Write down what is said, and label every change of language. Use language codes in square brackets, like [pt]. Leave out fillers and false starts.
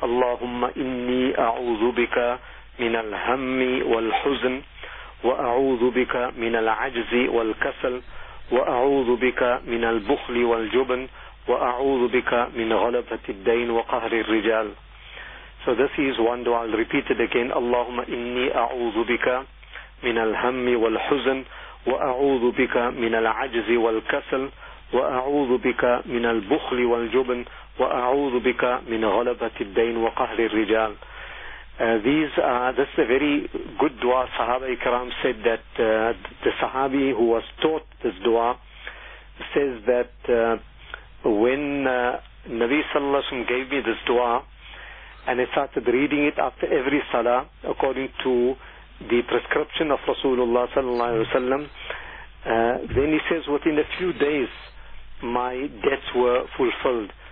[ar] Allahumma inni a'udhu bika min al-hammi wal-huzn wa a'udhu bika min al-ajzi wal-kasal وأعوذ بك من البخل والجبن وأعوذ بك من غلبة الدين وقهر الرجال. [en] So this is one dua. I'll repeat it again. [ar] اللهم إني أعوذ بك من الهم والحزن وأعوذ بك من العجز والكسل وأعوذ بك من البخل والجبن وأعوذ بك من غلبة الدين وقهر الرجال. [en] This is a very good dua. Sahaba Ikram said that the Sahabi who was taught this dua says that when Nabi Sallallahu Alaihi Wasallam gave me this dua and I started reading it after every salah according to the prescription of Rasulullah Sallallahu Alaihi Wasallam, then he says within a few days my debts were fulfilled.